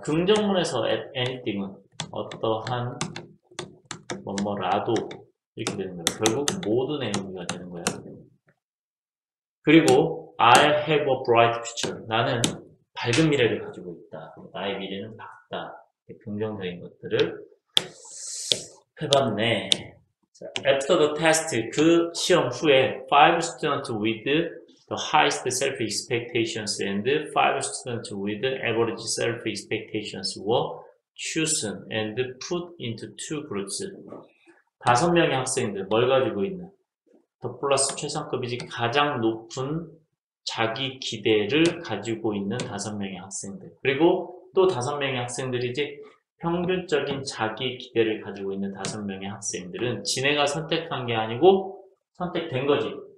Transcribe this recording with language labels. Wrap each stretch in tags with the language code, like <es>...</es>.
<ko>긍정문에서 anything은 어떠한 뭐뭐라도 이렇게 되는 거야. 결국 모든 의미가 되는 거야.</ko> <en>그리고 I have a bright future.</en> <ko>나는 밝은 미래를 가지고 있다. 나의 미래는 밝다. 긍정적인 것들을 해봤네.</ko> <en>After the test,</en> <ko>그 시험 후에</ko> <en>5 students with the highest self-expectations and 5 students with average self-expectations were chosen and put into two groups.</en> <ko>다섯 명의 학생들, 뭘 가지고 있나? The plus 최상급이지 가장 높은 자기 기대를 가지고 있는 다섯 명의 학생들. 그리고 또 다섯 명의 학생들이지 평균적인 자기 기대를 가지고 있는 다섯 명의 학생들은 지네가 선택한 게 아니고 선택된 거지.</ko>